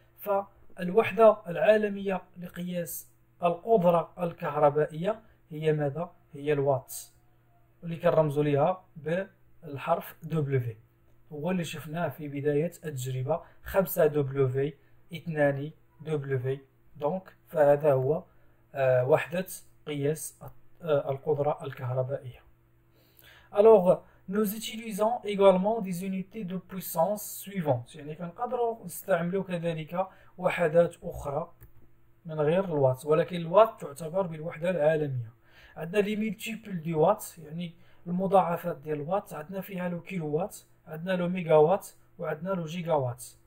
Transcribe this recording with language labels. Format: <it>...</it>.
<ar>فالوحدة العالمية لقياس القدرة الكهربائية هي ماذا؟ هي الوات، اللي كنرمزوا ليها بالحرف W، هو اللي شفناه في بداية التجربة، 5 W 2 W. دونك فهذا هو وحدة قياس القدرة الكهربائية.</ar> <fr>Alors, nous utilisons également des unités de puissance suivantes.</fr> <ar>يعني كنقدروا نستعملوا كذلك وحدات أخرى من غير الوات، ولكن الوات تعتبر بالوحدة العالمية. عندنا</ar> <fr>لي ميلتيبل دي وات،</fr> <ar>يعني المضاعفات ديال الوات، عندنا فيها لو كيلو وات، عندنا لو ميجا وات، وعندنا لو جيجا وات.</ar>